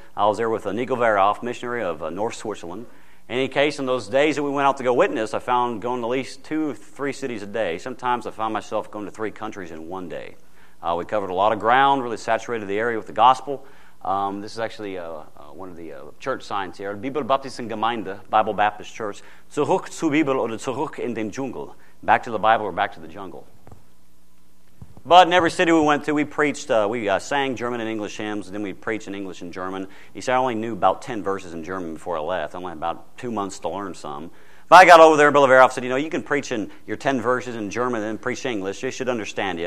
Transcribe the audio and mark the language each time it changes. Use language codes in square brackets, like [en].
[en] I was there with Nico Verhoff, missionary of North Switzerland. In any case, in those days that we went out to go witness, I found going to at least 2-3 cities a day. Sometimes I found myself going to 3 countries in one day. We covered a lot of ground, really saturated the area with the gospel. This is actually one of the church signs here, Bibel Baptisten Gemeinde, Bible Baptist Church. [de] Zurück zur Bibel oder zurück in den Dschungel. [en] Back to the Bible or back to the jungle. But in every city we went to, we preached, we sang German and English hymns, and then we preached in English and German. He said, I only knew about 10 verses in German before I left. I only had about 2 months to learn some. But I got over there, and Bill Averoff said, you know, you can preach in your 10 verses in German and then preach English. They should understand you.